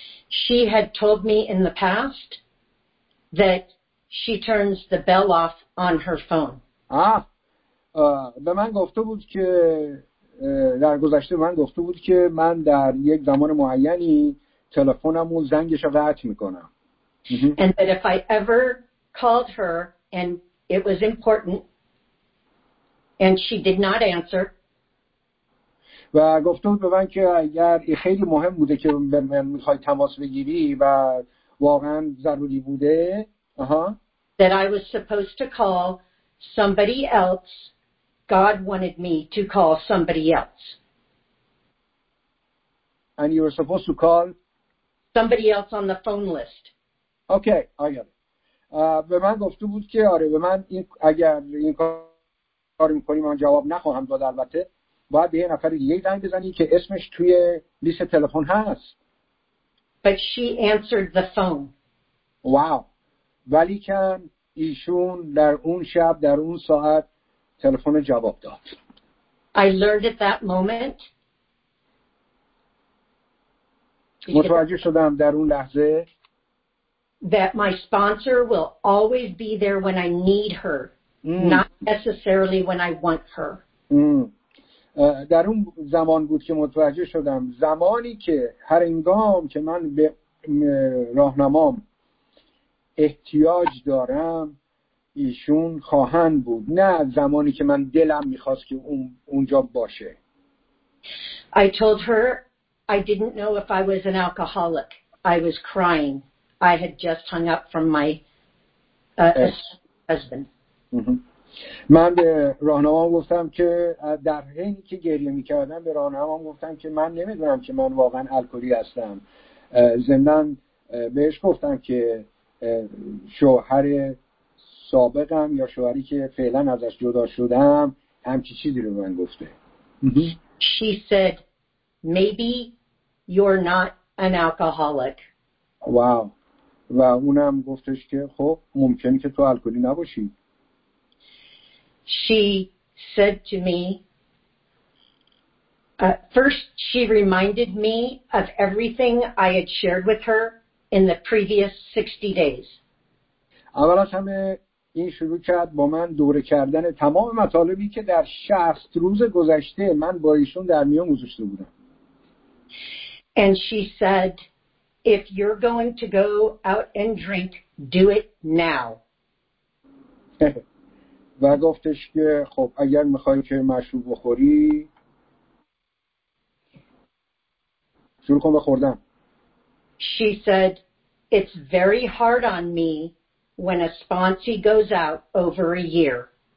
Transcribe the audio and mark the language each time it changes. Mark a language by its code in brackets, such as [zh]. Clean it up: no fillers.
[en] She had told me in the past that she turns the bell off on her phone. [fa] به من گفته بود که در گذشته من گفته بود که من در یک زمان معینی تلفنمو زنگشو قطع میکنم. [en] And that if I ever called her and it was important and she did not answer. [fa] و گفتم به من که اگر خیلی مهم بوده که من میخوای تماس بگیری و واقعا ضروری بوده. [en] That I was supposed to call somebody else. God wanted me to call somebody else. And you were supposed to call somebody else on the phone list. Okay, I got it. [fa] به من گفته بود که آره به من این اگر این کار میکنی من جواب نخواهم داد البته باید به یه نفر دیگه زنگ بزنی که اسمش توی لیست تلفن هست. [en] But she answered the phone. Wow. [fa] ولی که ایشون در اون شب در اون ساعت تلفن جواب داد. [en] I learned at that moment. [fa] متوجه شدم در اون لحظه [en] that my sponsor will always be there when I need her, not necessarily when I want her. [fa] در اون زمان بود که متوجه شدم زمانی که هر انگام که من به راهنمام احتیاج دارم ایشون خواهند بود نه زمانی که من دلم میخواست که اونجا باشه. [en] I told her I didn't know if I was an alcoholic. I was crying. I had just hung up from my husband. [fa] من به راهنمام گفتم که در حینی که گریه میکردم به راهنمام گفتم که من نمیدونم که من واقعا الکلی هستم. زمنان بهش گفتم که شوهر سابقم یا شوهری که فعلا ازش جدا شدم همچی چیزی رو من گفته. [en] She said maybe you're not an alcoholic. Wow. [fa] و اونم گفتش که خب ممکنه که تو الکلی نباشی. [en] She said to me first she reminded me of everything I had shared with her in the previous 60 days. [fa] اول از همه این شروع کرد با من دوره کردن تمام مطالبی که در 60 روز گذشته من با ایشون در میان گذاشته بودم. [en] And she said if you're going to go out and drink, do it now. [fa] و گفتش که خب اگر میخوای که مشروب بخوری شروع کن به خوردن. [en] She said it's very hard on me when a sponsee goes out over a year.